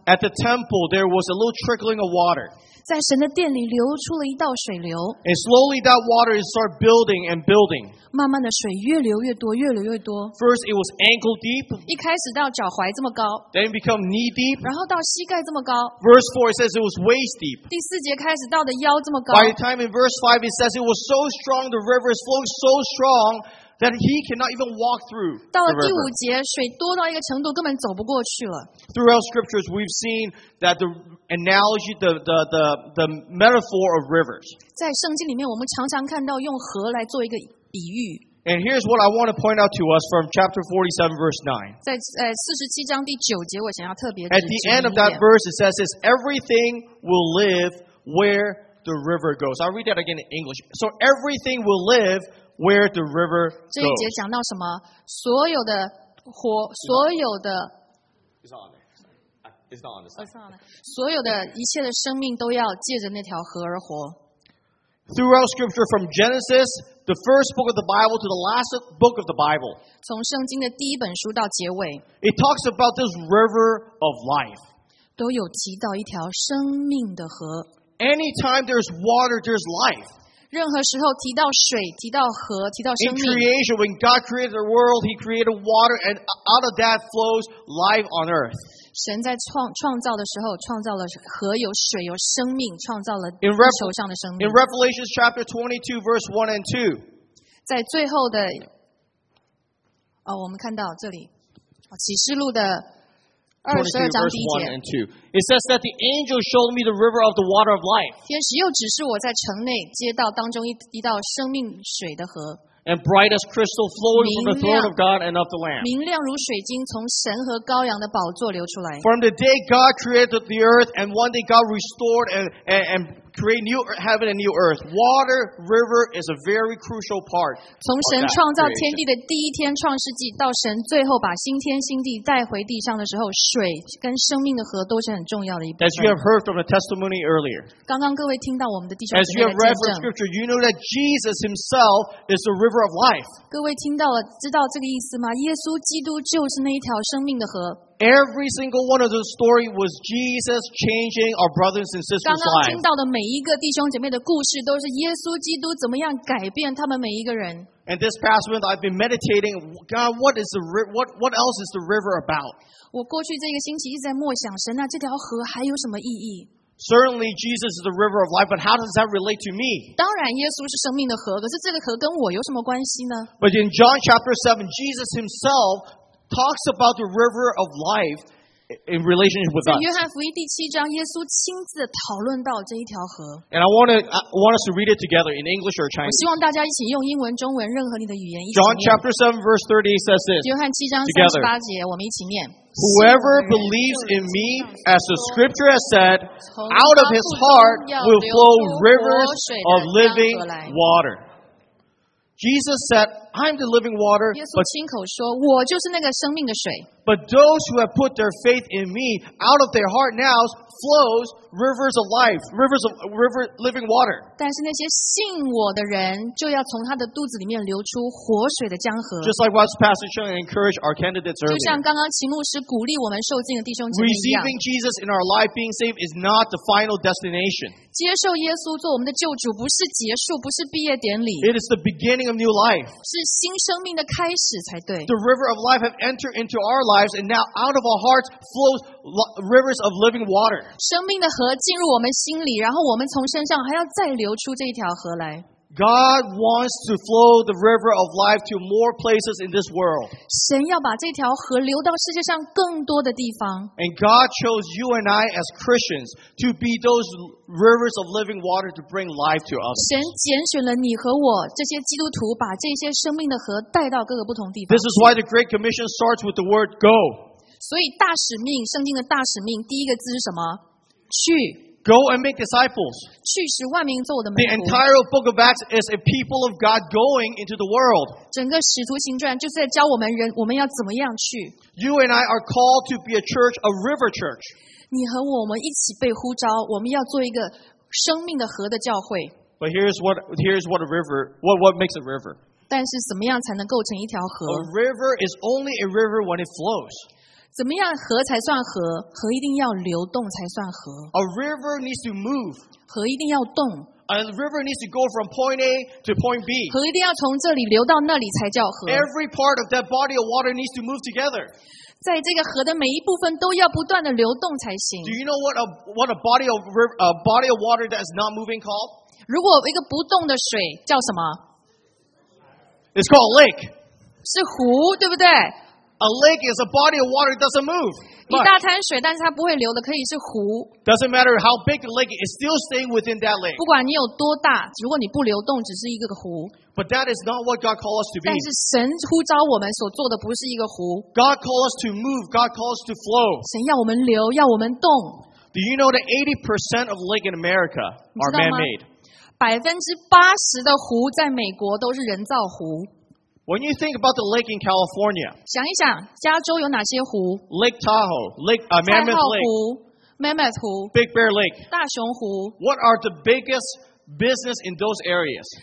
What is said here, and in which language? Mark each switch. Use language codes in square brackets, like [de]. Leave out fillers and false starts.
[en] At the temple, there was a little trickling of water. [zh] 在神的殿里流出了一道水流。 [en] And slowly that water started building and building. [zh] 慢慢的水越流越多，越流越多。 [en] First, it was ankle deep. [zh] 一开始到脚踝这么高。 [en] Then become knee deep. [zh] 然后到膝盖这么高。 [en] Verse 4, it says it was waist deep. [zh] 第四节开始到的腰这么高。 [en] By the time in verse 5, it says it was so strong, the river is flowing so strong,That he cannot even walk through. [zh] 到了第五节，水多到一个程度，根本走不过去了。 [en] Throughout scriptures, we've seen that the analogy, the metaphor of rivers. [zh] 在圣经里面，我们常常看到用河来做一个比喻。 [en] And here's what I want to point out to us from chapter 47, verse 9. [zh] 在47第九节，我想要特别。 [en] At the end of that verse, it says, "Everything will live where the river goes." I'll read that again in English. So everything will live. Where the river goes. [zh] 这一节讲到什么？所有的活，所有的。所有的一切的生命都要借着那条河而活。 [en] Throughout scripture, from Genesis, the first book of the Bible, to the last book of the Bible. [zh] 从圣经的第一本书到结尾。 [en] It talks about this river of life. [zh] 都有提到一条生命的河。 [en] Anytime there's water, there's life. [zh] 任何时候提到水，提到河，提到生命。 [en] In creation, when God created the world, He created water, and out of that flows life on earth. [zh] 神在创造的时候，创造了河，有水，有生命，创造了地球上的生命。 [en] In Revelation chapter 22, verse 1 and 2. [zh] 在最后的，我们看到这里，启示录的 [en] 22:1-2. It says that the angel showed me the river of the water of life. [zh] 天使又指示我在城内街道当中一道生命水的河。 [en] and bright as crystal flowing from the throne of God and of the Lamb. [zh] 明亮如水晶从神和羔羊的宝座流出来。 [en] From the day God created the earth, and one day God restored and created new heaven and new earth, water, river is a very crucial part. [zh] 从神创造天地的第一天创世纪到神最后把新天新地带回地上的时候，水跟生命的河都是很重要的一部分。 [en] As you have heard from the testimony earlier, [zh] 刚刚各位听到我们的弟兄姊妹的见证。 [en] As you have read from scripture, you know that Jesus Himself is the river of life. [zh] 各位听到了，知道这个意思吗？耶稣基督就是那一条生命的河。 [en] Every single one of those stories was Jesus changing our brothers and sisters' lives. [zh] 刚刚听到的每一个弟兄姐妹的故事，都是耶稣基督怎么样改变他们每一个人。 [en] And this past month, I've been meditating. God, what else is the river about? [zh] 我过去这个星期一直在默想，神啊，这条河还有什么意义？ [en] Certainly, Jesus is the river of life, but how does that relate to me? [zh] 当然，耶稣是生命的河，可是这个河跟我有什么关系呢？ [en] But in John chapter 7, Jesus himself talks about the river of life in relationship with us. [zh] 在约翰福音第七章，耶稣亲自讨论到这一条河。 [en] And I want us to read it together in English or Chinese. [zh] 我希望大家一起用英文、中文任何你的语言一起。 [en] John chapter 7, verse 30 says this. [zh] 约翰七章三十八节，我们一起念。 [en] Whoever believes in me, as the scripture has said, out of his heart will flow rivers of living water. Jesus said, I'm the living water. [zh] 耶稣亲口说，我就是那个生命的水。 [en] But those who have put their faith in me, out of their heart now flows rivers of life, living water. [zh] 但是那些信我的人，就要从他的肚子里面流出活水的江河。 [en] Just like what Pastor Chung encouraged our candidates earlier. [zh] 就像刚刚齐牧师鼓励我们受浸的弟兄姐妹一样。 [en] Receiving Jesus in our life, being saved, is not the final destination. [zh] 接受耶稣做我们的救主，不是结束，不是毕业典礼。 [en] It is the beginning of new life. [zh] 是新生命的开始才对。 [en] The river of life have entered into our lives, and now out of our hearts flows rivers of living water. [zh] 生命的河进入我们心里，然后我们从身上还要再流出这一条河来。 [en] God wants to flow the river of life to more places in this world. [zh] 神要把这条河流到世界上更多的地方。 [en] And God chose you and I as Christians to be those rivers of living water to bring life to us. [zh] 神拣选了你和我这些基督徒，把这些生命的河带到各个不同地方。 [en] This is why the Great Commission starts with the word go. [zh] 所以大使命，圣经的大使命，第一个字是什么？去。 [en] Go and make disciples. [zh] 去使万民做我的门徒。 [en] The entire book of Acts is a people of God going into the world. [zh] 整个使徒行传就是在教我们人，我们要怎么样去。 [en] You and I are called to be a church, a river church. [zh] 你和我们一起被呼召，我们要做一个生命的河的教会。 [en] But here's what a river, what makes a river. [zh] 但是怎么样才能构成一条河？ [en] A river is only a river when it flows. [zh] 怎么样河才算河？河一定要流动才算河。 [en] A river needs to move. [zh] 河一定要动。 [en] A river needs to go from point A to point B. [zh] 河一定要从这里流到那里才叫河。 [en] Every part of that body of water needs to move together. [zh] 在这个河的每一部分都要不断的流动才行。 [en] Do you know what a body of river, a body of water that is not moving called? [zh] 如果一个不动的水叫什么？ [en] It's called a lake. [zh] 是湖，对不对？ [en] A lake is a body of water that doesn't move. [zh] 一大滩水，但是它不会流的，可以是湖。 [en] Doesn't matter how big the lake, it's still staying within that lake. [zh] 不管你有多大，如果你不流动，只是一个湖。 [en] But that is not what God calls us to be. [zh] 但是神呼召我们所做的不是一个湖。 [en] God calls us to move. God calls us to flow. [zh] 神要我们流，要我们动。 [en] Do you know that 80% of lake in America are man-made? [zh] 80%的湖在美国都是人造湖。 [en] When you think about the lake in California, [zh] 想一想，加州有哪些湖 [en] ？Lake Tahoe, Lake Mammoth Lake, [zh] Mammoth 湖 [en] ，Big Bear Lake, [zh] 大熊湖。 [en] What are the biggest business in those areas?